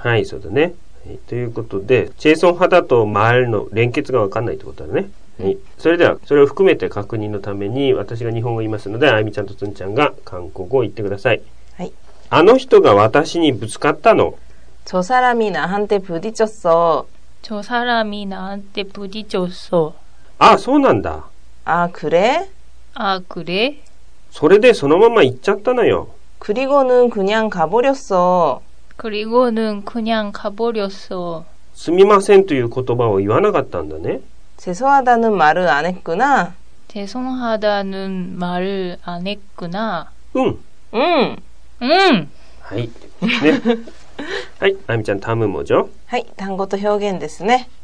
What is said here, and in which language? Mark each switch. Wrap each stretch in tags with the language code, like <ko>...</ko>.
<ja>はいそうだね、はい、ということでチェソン派だとマルの連結が分かんないってことだね、はい、それではそれを含めて確認のために私が日本語を言いますのであゆみちゃんとつんちゃんが韓国語を言ってくださいはいあの人が私にぶつかったの</ja> <ko>チョサラミナハンテプディチョッソチョサラミナハンテプディチョッソ</ko> <ja>あそうなんだ</ja> <ko>あくれあくれ</ko> <ja>それでそのまま行っちゃったのよ</ja> <ko>그리고는그냥가버렸어 그리고는그냥가버렸어</ko> <ja>すみませんという言葉を言わなかったんだね</ja> <ko>죄송하다는말을안했구나 죄송하다는말을안했구나 응 응 응</ko> <ja>はい、ね、はい、あみちゃん、単語もじゃはい、単語と表現ですね。</ja>